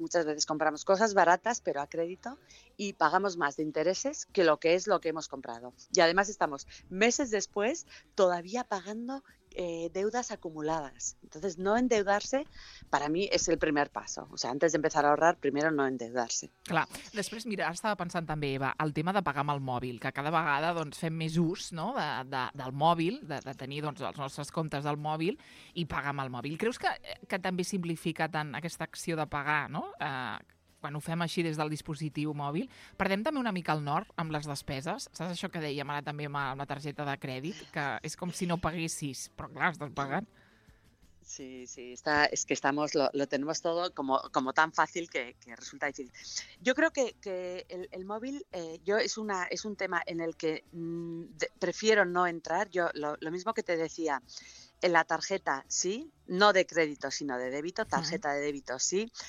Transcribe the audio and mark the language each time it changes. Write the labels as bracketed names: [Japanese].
[Spanish] Muchas veces compramos cosas baratas, pero a crédito, y pagamos más de intereses que lo que es lo que hemos comprado. Y además estamos meses después todavía pagando deudas acumuladas. Entonces, no endeudarse, para mí, es el primer paso. O sea, antes de empezar a ahorrar, primero no endeudarse. [Catalan] Clar. Després, mira, estava pensant també, Eva, el tema de pagar amb el mòbil, que cada vegada doncs, fem més ús, no?, del mòbil, de tenir doncs, els nostres comptes del mòbil i pagar amb el mòbil. Creus que també simplifica tant aquesta acció de pagar, no?, quan ho fem així des del dispositiu mòbil, perdem també una mica el nord amb les despeses. Saps això que dèiem ara també amb la targeta de crèdit? Que és com si no paguessis, però clar, estàs pagant. [Spanish] Sí, sí, lo tenemos todo como tan fácil que resulta difícil. Yo creo que el móvil es un tema en el que prefiero no entrar. Yo lo mismo que te decía, en la tarjeta sí, no de crédito, sino de débito, tarjeta de débito sí.